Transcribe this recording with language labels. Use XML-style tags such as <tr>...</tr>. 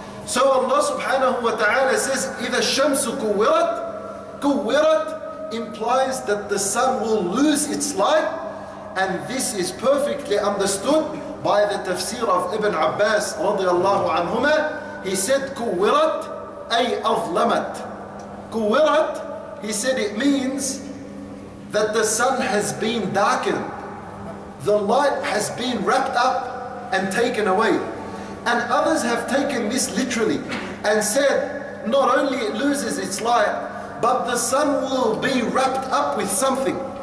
<en>So Allah subhanahu wa ta'ala says,</en> <ar>إِذَا الشَّمْسُ كُوِّرَتْ.</ar> <en>كُوِّرَتْ implies that the sun will lose its light, and this is perfectly understood by the tafsir of Ibn Abbas radiallahu anhuma. He said,</en> <ar>كُوِّرَتْ أي أَظْلَمَتْ.</ar> <en>كُوِّرَتْ, he said, it means that the sun has been darkened, the light has been wrapped up and taken away. And others have taken this literally and said, not only it loses its light, but the sun will be wrapped up with something.</en>